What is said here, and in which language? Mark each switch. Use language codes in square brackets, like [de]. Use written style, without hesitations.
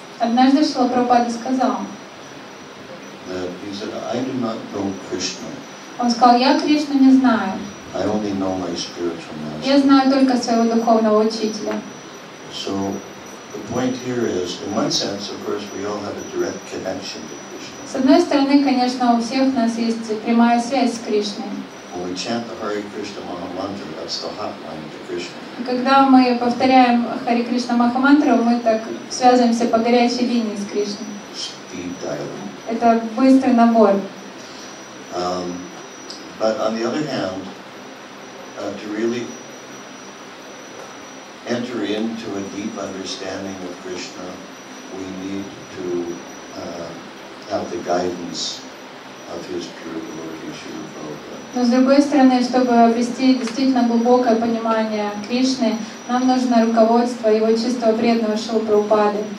[ru] Однажды Шрила Прабхупада сказал. [en] That he said, I do not know Krishna. [ru] Он сказал, я Кришну не знаю. [en] I only know my spiritual master. [ru] Я знаю только своего духовного учителя. [en] So the point here is, in one sense, of course, we all have a direct connection to Krishna. [ru] С одной стороны, конечно, у всех нас есть прямая связь с Кришной. [en] When we chant the Hare Krishna Maha Mantra, that's the hotline to Krishna. [ru] И когда мы повторяем Hare Krishna Maha Mantra, мы так связываемся по горячей линии с Кришной. [en] Speed dialing. [ru] Это быстрый набор. But on the other hand, to really enter into a deep understanding of Krishna, we need to have the guidance of his pure devotee Srila Prabhupada. Но с другой стороны, чтобы обрести действительно глубокое понимание Кришны, нам нужно руководство его чистого преданного Шрилы Прабхупады.